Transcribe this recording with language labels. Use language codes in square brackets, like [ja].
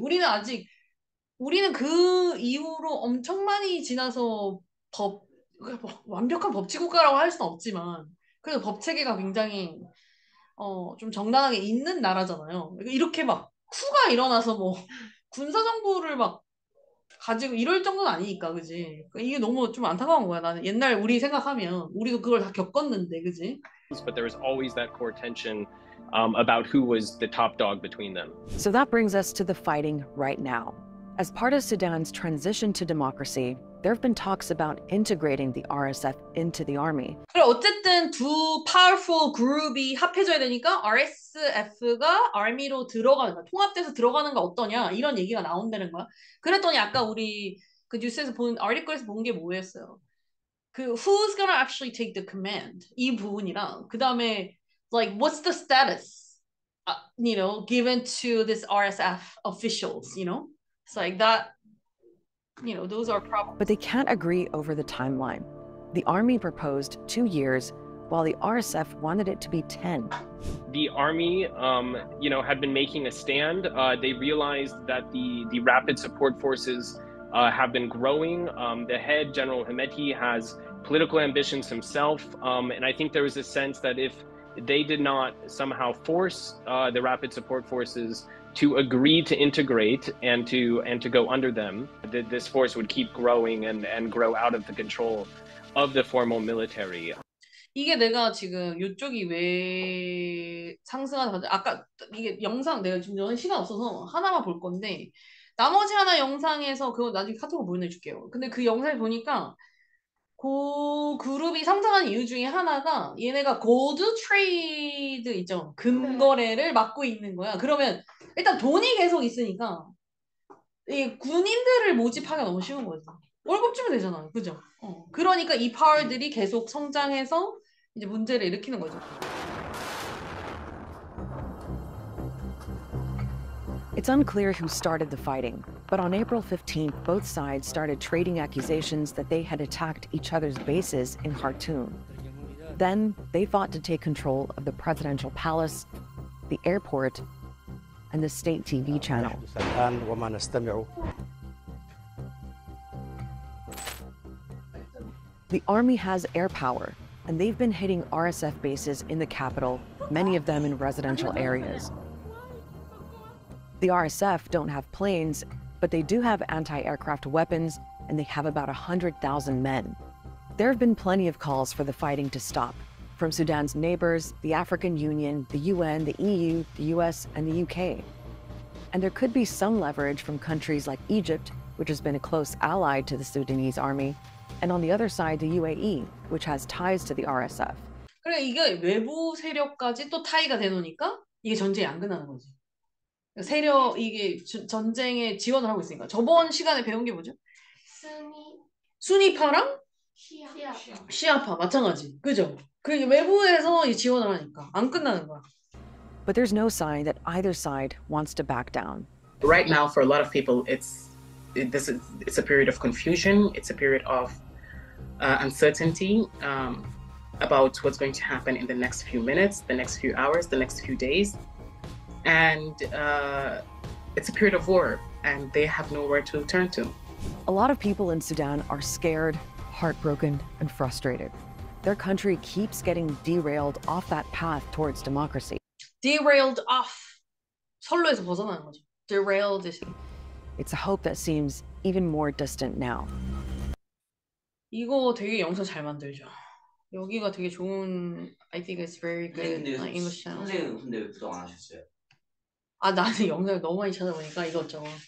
[ko] 우리는 아직 우리는 그 이후로 엄청 많이 지나서 완벽한 법치 국가라고 할 수는 없지만 그래도 법 체계가 굉장히 좀 정당하게 있는 나라잖아요. 이렇게 막 쿠가 일어나서 뭐 군사 정부를 막 가지고 이럴 정도는 아니니까 그지. 이게 너무 좀 안타까운 거야. 나는 옛날 우리 생각하면 우리도 그걸 다 겪었는데 그지. [en] But there was always that core tension about who was the top dog between them. So that brings us to the fighting right now. As part of Sudan's transition to democracy, there have been talks about integrating the RSF into the army. [ko] 그래, 어쨌든 두 파워풀 그룹이 합해져야 되니까 RSF가 아미로 들어가는 거야. 통합돼서 들어가는 거 어떠냐? 이런 얘기가 나온다는 거야. 그랬더니 아까 우리 그 뉴스에서 본 아티클에서 본게 뭐였어요? 그 [en] who's gonna actually take the command [ko] 이 부분이랑 그다음에 [en] like what's the status you know given to this RSF officials you know it's like that you know those are problems but they can't agree over the timeline the army proposed 2 years while the RSF wanted it to be 10 the army you know had been making a stand they realized that the rapid support forces have been growing. The head, General Hemeti, has political ambitions himself. And I think there was a sense that if they did not somehow force the rapid support forces to agree to integrate and to go under them, that this force would keep growing and grow out of the control of the formal military. [ko] 이게 내가 지금 요쪽이 왜 상승하는지 아까 이게 영상 내가 지금 저는 시간 없어서 하나만 볼 건데 나머지 하나 영상에서 그거 나중에 카톡으로 보내줄게요. 근데 그 영상을 보니까 그 그룹이 상승한 이유 중에 하나가 얘네가 골드 트레이드 있죠. 금거래를 막고 있는 거야. 그러면 일단 돈이 계속 있으니까 군인들을 모집하기가 너무 쉬운 거지. 월급 주면 되잖아. 그죠? 그러니까 이 파워들이 계속 성장해서 이제 문제를 일으키는 거죠. [en] It's unclear who started the fighting, but on April 15th, both sides started trading accusations that they had attacked each other's bases in Khartoum. Then they fought to take control of the presidential palace, the airport, and the state TV channel. The army has air power, and they've been hitting RSF bases in the capital, many of them in residential areas. The RSF don't have planes, but they do have anti-aircraft weapons, and they have about 100,000 men. There have been plenty of calls for the fighting to stop, from Sudan's neighbors, the African Union, the UN, the EU, the US, and the UK. And there could be some leverage from countries like Egypt, which has been a close ally to the Sudanese army, and on the other side, the UAE, which has ties to the RSF. [ko] 그래, 이게 외부 세력까지 또 타이가 되놓으니까 이게 전쟁이 안 끝나는 거지. 세력, 이게 전쟁에 지원을 하고 있으니까. 저번 시간에 배운 게 뭐죠? 수니파랑? 시아파, 마찬가지. 그죠? 그 외부에서 지원을 하니까 안 끝나는 거야. [en] But there's no sign that either side wants to back down. Right now, for a lot of people, it's a period of confusion. It's a period of uncertainty about what's going to happen in the next few minutes, the next few hours, the next few days. And it's a period of war, and they have nowhere to turn to. A lot of people in Sudan are scared, heartbroken, and frustrated. Their country keeps getting derailed off that path towards democracy. Derailed off. [ko] 선로에서 벗어나는 거죠. [en] Derailed. It's a hope that seems even more distant now. [ko] 이거 되게 영상 잘 만들죠. 여기가 되게 좋은, [en] I think it's very good [ko] 근데, [en] like, English channel. [ko] 선생님은 근데 왜 구독 안 하셨어요? 아, 나는 영상을 너무 많이 찾아보니까 이것저것.